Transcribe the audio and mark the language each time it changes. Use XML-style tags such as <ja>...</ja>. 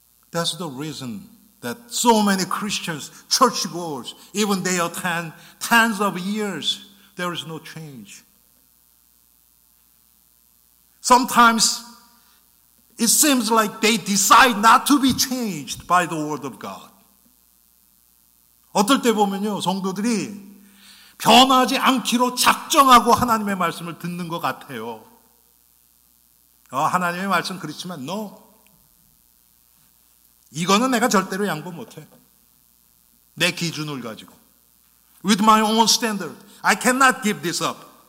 <en>That's the reason that so many Christians, churchgoers, even they attend tens of years, there is no change. Sometimes it seems like they decide not to be changed by the word of God.</en> <ko>어떨 때 보면요, 성도들이 변하지 않기로 작정하고 하나님의 말씀을 듣는 것 같아요. 하나님의 말씀 그렇지만 no. 이거는 내가 절대로 양보 못해. 내 기준을 가지고.</ko> <en>With my own standard, I cannot give this up.</en>